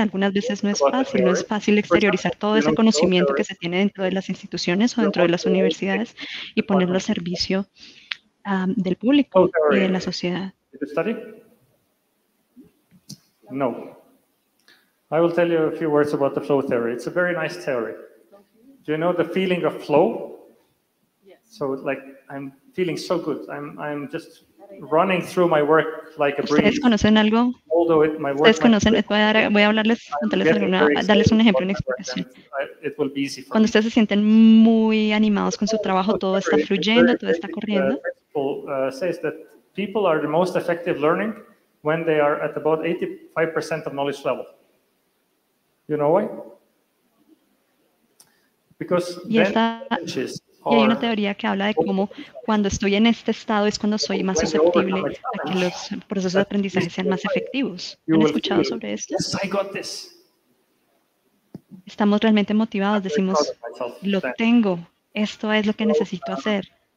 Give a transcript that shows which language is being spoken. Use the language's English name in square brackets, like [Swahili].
[Spanish] Algunas veces no es fácil, no es fácil exteriorizar todo ese conocimiento que se tiene dentro de las instituciones o dentro de las universidades y ponerlo al servicio del público y de la sociedad. No. [English] I will tell you a few words about the flow theory. It's a very nice theory. Do you know the feeling of flow? Yes. So like I'm feeling so good. I'm just running through my work like a breeze. [Spanish] ¿Ustedes conocen algo? [English] Although my work [Spanish] ¿Ustedes conocen? Voy a hablarles, darles un ejemplo, una explicación. [English] It will be easy for [Spanish] Cuando ustedes se sienten muy animados con su trabajo, todo está fluyendo, todo está corriendo. [English] Says that people are the most effective learning when they are at about 85% of knowledge level. You know why? Because [Spanish] y hay una teoría que habla de cómo cuando estoy en este estado es cuando soy más susceptible a que los procesos de aprendizaje sean más efectivos. ¿Han escuchado sobre esto? [English] Yes, I got this. [Spanish] Estamos realmente motivados, decimos, lo tengo, esto es lo que necesito hacer.